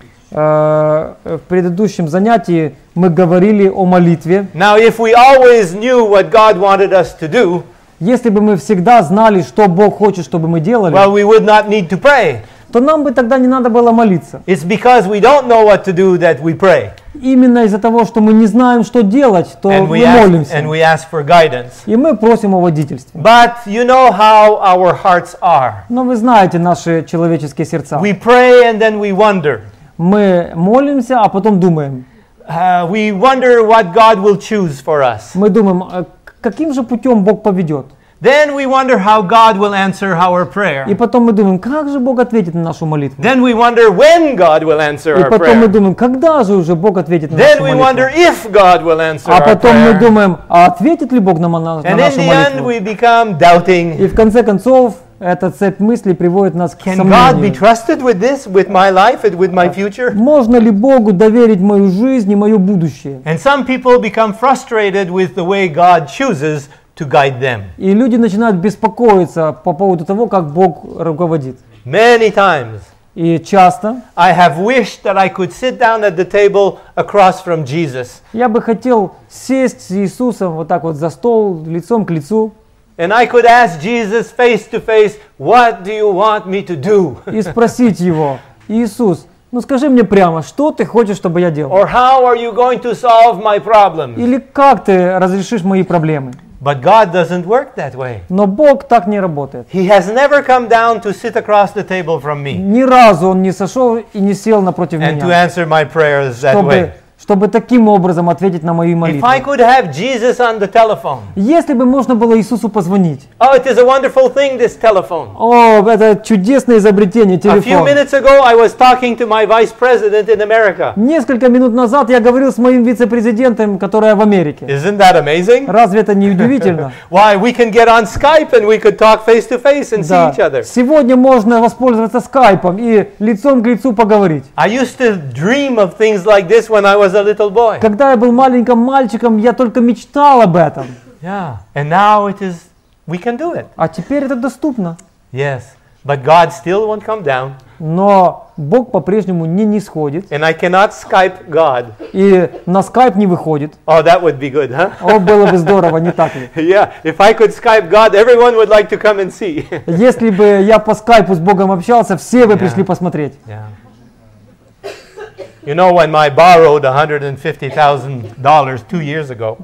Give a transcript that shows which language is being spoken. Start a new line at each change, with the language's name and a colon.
Russian: В предыдущем занятии мы говорили о молитве.
English: Now if we always knew what God wanted us to do,
Russian: если бы мы всегда знали, что Бог хочет, чтобы мы делали,
English: well, we would not need to pray.
Russian: То нам бы тогда не надо было молиться.
English: It's because we don't know what to do that we pray.
Russian: Именно из-за того, что мы не знаем, что делать, то мы молимся.
English: And we ask for guidance.
Russian: И мы просим о водительстве.
English: But you know how our hearts are.
Russian: Но вы знаете наши человеческие сердца.
English: We pray and then we wonder.
Russian: Мы молимся, а потом думаем.
English: We wonder what God will choose for us.
Russian: Мы думаем, каким же путем Бог поведет?
English: Then we wonder how God will answer our prayer.
Russian: И потом мы думаем, как же Бог ответит на нашу молитву?
English: Then we wonder when God will answer our prayer.
Russian: И потом мы думаем, когда же уже Бог ответит на нашу молитву?
English: Then we wonder if God will answer our prayer.
Russian: А потом мы думаем, а ответит ли Бог на нашу молитву?
English: And in the end we become doubting.
Russian: И в конце концов эта цепь мыслей приводит нас к сомнению.
English: Can God be trusted with this, with my life and with my future?
Russian: Можно ли Богу доверить мою жизнь и мое будущее?
English: And some people become frustrated with the way God chooses to guide them.
Russian: И люди начинают беспокоиться по поводу того, как Бог руководит.
English: Many times.
Russian: И часто.
English: I have wished that I could sit down at the table across from Jesus.
Russian: Я бы хотел сесть с Иисусом вот так вот за стол лицом к лицу.
English: And I could ask Jesus face to face, what do you want me to do?
Russian: И спросить его: Иисус, ну скажи мне прямо, что ты хочешь, чтобы я делал?
English: Or how are you going to solve my problems?
Russian: Или как ты разрешишь мои проблемы?
English: But God doesn't work that way.
Russian: Но Бог так не работает.
English: He has never come down to sit across the table from me.
Russian: Ни разу он не сошел и не сел напротив меня.
English: And to answer my prayers that way.
Russian: Чтобы таким образом ответить на мои молитвы.
English: If I could have Jesus on the telephone.
Russian: Если бы можно было Иисусу позвонить.
English: Oh, it is a wonderful thing, this telephone.
Russian: О, это чудесное изобретение, телефон.
English: A few minutes ago I was talking to my vice president in America.
Russian: Несколько минут назад я говорил с моим вице-президентом, который в Америке.
English: Isn't that amazing?
Russian: Разве это не удивительно?
English: Why, we can get on Skype and we could talk face to face and see each other.
Russian: Сегодня можно воспользоваться Skype'ом и лицом к лицу поговорить.
English: I used to dream of things like this when I was a little boy.
Russian: Когда я был маленьким мальчиком, я только мечтал об этом.
English: Yeah. And now it is, we can do it.
Russian: А теперь это доступно.
English: Yes. But God still won't come down.
Russian: Но Бог по-прежнему не нисходит.
English: And I cannot Skype God.
Russian: И на Skype не выходит.
English: Oh, that would be good, huh?
Russian: О, было бы здорово, не так ли?
English: Yeah, if I could Skype God, everyone would like to come and see.
Russian: Если бы я по Skype с Богом общался, все бы пришли посмотреть.
English: You know when I borrowed $150,000 2 years ago?